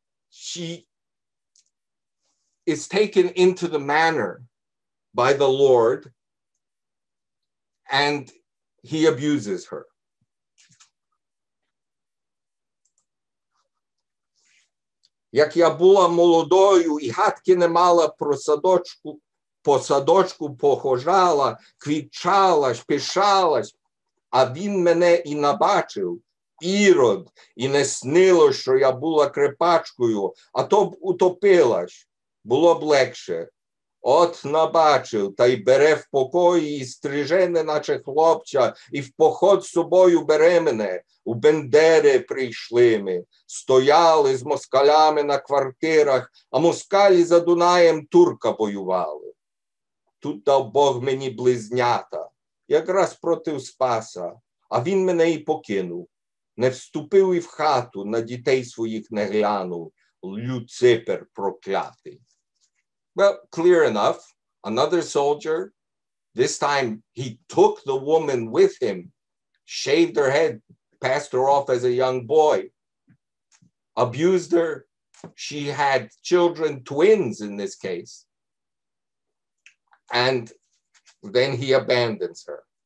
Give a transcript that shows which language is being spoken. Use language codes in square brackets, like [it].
[en] She is taken into the manor by the Lord, and he abuses her. [uk] Як я була молодою і хатки не мала, по садочку похожала, квітчала, пишалась, а він мене і набачив, ірод, і не снило, що я була крепачкою, а то б утопилась, було б легше. От набачив, та й бере в покої, і стриже не наче хлопча, і в поход собою бере мене. У бендери прийшли ми, стояли з москалями на квартирах, а москалі за Дунаєм турка воювали. Тут дав Бог мені близнята, якраз проти Спаса, а він мене і покинув. Не вступив і в хату, на дітей своїх не глянув, Люципер проклятий. [en] Well, clear enough, another soldier, this time he took the woman with him, shaved her head, passed her off as a young boy, abused her. She had children, twins in this case. And then he abandons her.